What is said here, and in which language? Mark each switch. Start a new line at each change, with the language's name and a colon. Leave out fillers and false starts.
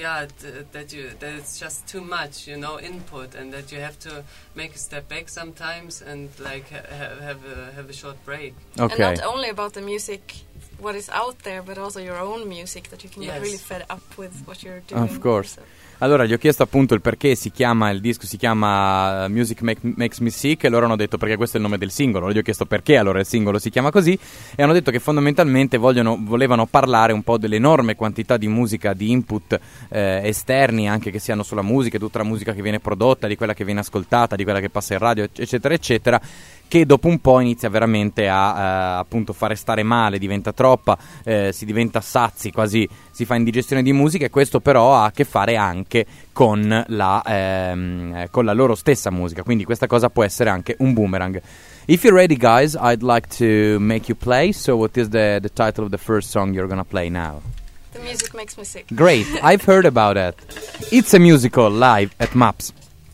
English: Yeah, that it's just too much, you know, input, and that you have to make a step back sometimes and like have a short break. Okay. And not only about the music, what is out there, but also your own music that you can get really fed up with what you're doing. Of course. So.
Italian: Allora, gli ho chiesto appunto il perché si chiama il disco, si chiama Music Makes Me Sick, e loro hanno detto perché questo è il nome del singolo. Gli ho chiesto perché allora il singolo si chiama così, e hanno detto che fondamentalmente volevano parlare un po' dell'enorme quantità di musica, di input esterni anche che si hanno sulla musica, tutta la musica che viene prodotta, di quella che viene ascoltata, di quella che passa in radio, eccetera, eccetera, che dopo un po' inizia veramente a appunto fare stare male, diventa troppa, si diventa sazi, quasi si fa indigestione di musica, e questo però ha a che fare anche con la loro stessa musica, quindi questa cosa può essere anche un boomerang.
English: If you're ready, guys, I'd like to make you play. So what is the title of the first song you're gonna play now? The Music Makes Me Sick. Great, I've heard about it. It's a musical live at MAPS.